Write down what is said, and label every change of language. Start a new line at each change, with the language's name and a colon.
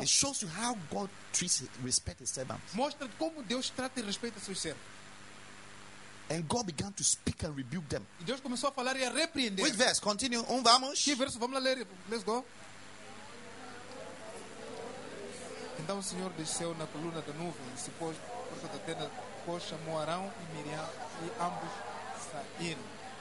English: It shows you how God treats respect his servants.
Portuguese: Mostra como Deus trata e respeita seus servos.
English: And God began to speak and rebuke them.
Portuguese: E Deus começou a falar e a repreender.
English: Which verse? Continue. Vamos.
Portuguese: Que verso? Vamos lá ler.
English: Let's go.
Portuguese: Então o Senhor desceu na coluna da nuvem e se pôs por toda a tenda, pôs chamou Arão e Miriam e ambos saíram.